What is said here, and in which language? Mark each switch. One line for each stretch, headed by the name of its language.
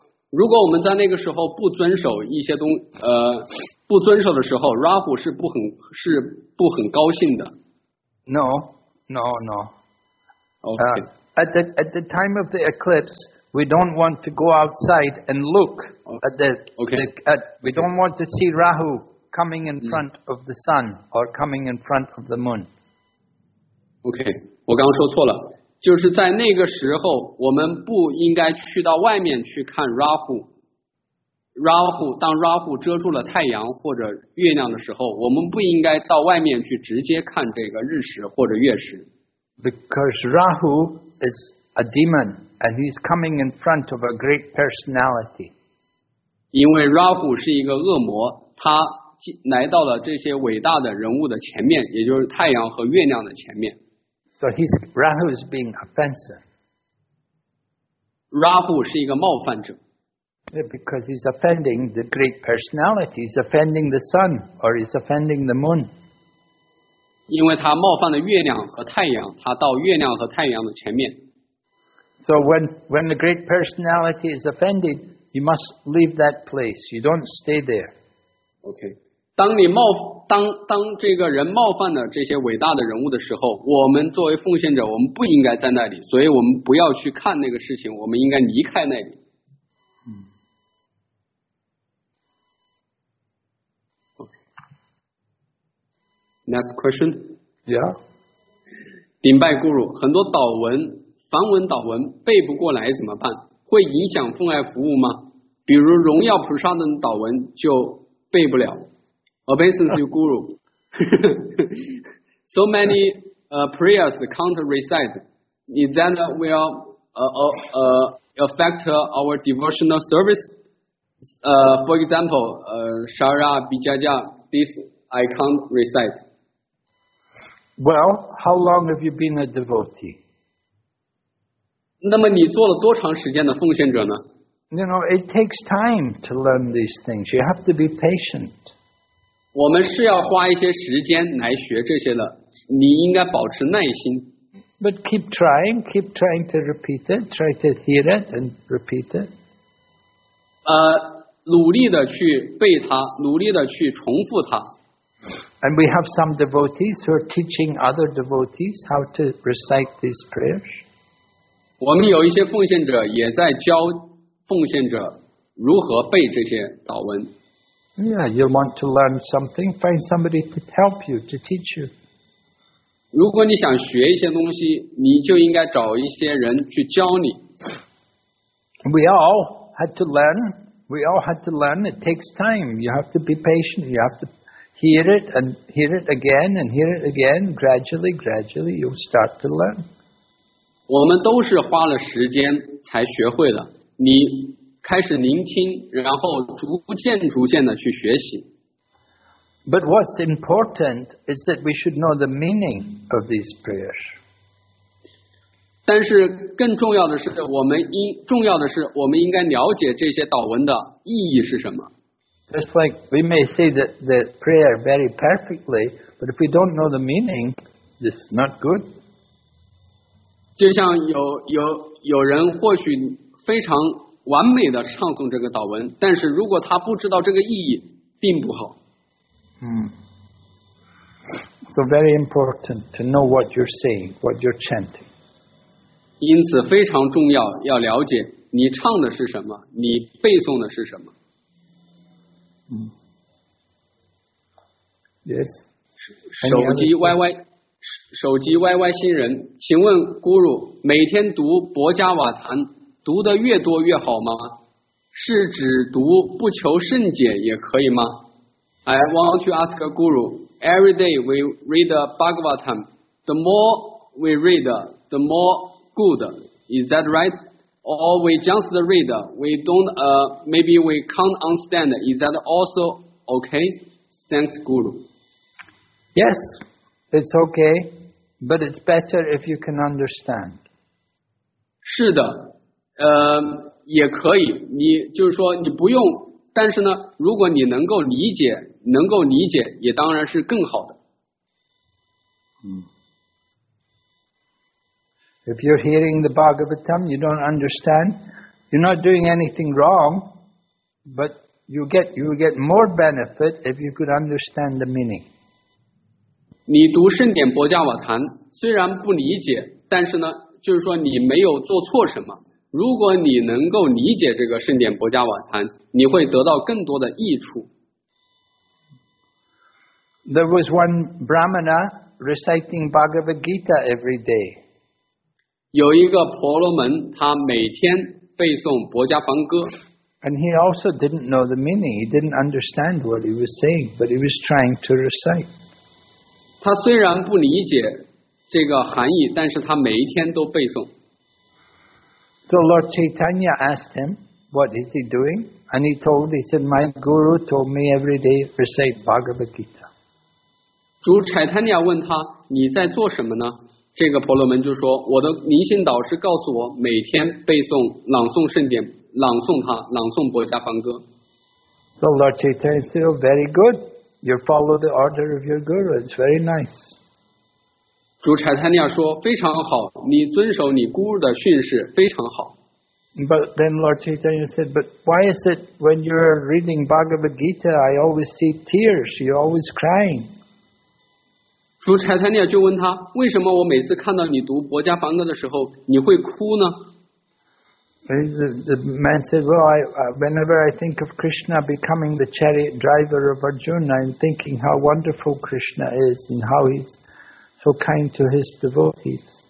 Chinese: 如果我们在那个时候不遵守一些东不遵守的时候 ，Rahu 是不很高兴的。
English: No. Okay. At the time of the eclipse, we don't want to go outside and look at the. Okay. We don't want to see Rahu coming in front of the sun or coming in front of the moon.
Chinese: Okay, 我刚刚说错了，就是在那个时候，我们不应该去到外面去看 Rahu。 Rahu 当 Rahu 遮住了太阳或者月亮的时候，我们不应该到外面去直接看这个日食或者月食。
English: Because Rahu is a demon and he's coming in front of a great personality.
Chinese: 因为 Rahu 是一个恶魔，他来到了这些伟大的人物的前面，也就是太阳和月亮的前面。
English: So Rahu is being offensive.
Chinese: Rahu 是一个冒犯者。
English: Yeah, because he's offending the great personality, he's offending the sun, or he's offending the moon.
Chinese: 因为他冒犯了月亮和太阳，他到月亮和太阳的前面。
English: So when the great personality is offended, you must leave that place. You don't stay there. Okay.
Chinese: 当这个人冒犯了这些伟大的人物的时候，我们作为奉献者，我们不应该在那里，所以我们不要去看那个事情，我们应该离开那里。
English: Next question. Yeah.
Chinese: 顶拜 Guru, 很多祷文梵文祷文背不过来怎么办？会影响奉爱服务吗？比如荣耀菩萨的祷文就背不了。
English: Obeisance to Guru. So many prayers can't recite. Is that will affect our devotional service? For example, Shara Bijaja, this I can't recite. Well, how long have you been a devotee?
Chinese: 那么你做了多长时间的奉献者呢？
English: You know, it takes time to learn these things. You have to be patient.
Chinese: 我们是要花一些时间来学这些的，你应该保持耐心。
English: But keep trying to repeat it, try to hear it and repeat it.
Chinese: 努力的去背它，努力的去重复它。
English: And we have some devotees who are teaching other devotees how to recite these prayers.
Chinese: 我们有一些奉献者也在教奉献者如何背这些祷文。
English: Yeah, you want to learn something, find somebody to help you, to teach you.
Chinese: 如果你想学一些东西，你就应该找一些人去教你。
English: We all had to learn. We all had to learn. It takes time. You have to be patient. You have to hear it and hear it again and hear it again. Gradually, gradually, you'll start to learn.
Chinese: 我们都是花了时间才学会的。你开始聆听，然后逐渐逐渐的去学习。
English: But what's important is that we should know the meaning of these prayers.
Chinese: 但是更重要的是，我们应该了解这些祷文的意义是什么。
English: Just like we may say that the prayer very perfectly, but if we don't know the meaning, it's not good.
Chinese: 就像有人或许非常完美的唱诵这个祷文，但是如果他不知道这个意义，并不好。
English: So very important to know what you're saying, what you're chanting.
Chinese: 因此非常重要，要了解你唱的是什么，你背诵的是什么。
English: Yes.
Chinese: 手机 YY 新人，请问 Guru 每天读博伽瓦坛。读得越多越好吗？是指读不求甚解也可以吗？
English: I want to ask a guru. Every day we read the Bhagavatam. The more we read, the more good. Is that right? Or we just read, we don't, maybe we can't understand. Is that also okay? Thanks, guru. Yes, it's okay. But it's better if you can understand.
Chinese: 是的。也可以，你就是说你不用，但是呢，如果你能够理解，能够理解，也当然是更好的。
English: If you're hearing the Bhagavatam, you don't understand, you're not doing anything wrong, but you get more benefit if you could understand the meaning.
Chinese: 你读圣典博伽瓦坛，虽然不理解，但是呢，就是说你没有做错什么。如果你能够理解这个圣典博伽瓦坛，你会得到更多的益处。
English: There was one Brahmana reciting Bhagavad Gita every day.
Chinese: 有一个婆罗门，他每天背诵《博伽梵歌》。
English: And he also didn't know the meaning. He didn't understand what he was saying, but he was trying to recite.
Chinese: 他虽然不理解这个含义，但是他每一天都背诵。
English: So Lord Chaitanya asked him, what is he doing? And he said, my guru told me every day to recite Bhagavad Gita.
Chinese: 主 Chaitanya 问他，你在做什么呢？这个婆罗门就说，我的明心导师告诉我，每天背诵、朗诵圣典，朗诵博伽梵歌。
English: So Lord Chaitanya said, oh, very good. You follow the order of your guru. It's very nice.
Chinese: 主柴坦尼亚说非常好，你遵守你姑的训示非常好。
English: But then Lord Chaitanya said, but why is it when you're reading Bhagavad Gita, I always see tears, you're always crying?
Chinese: 主柴坦尼亚就问他，为什么我每次看到你读博伽梵歌的时候，你会哭呢？
English: The man said, well, whenever I think of Krishna becoming the chariot driver of Arjuna, I'm thinking how wonderful Krishna is and how he's so kind to his devotees.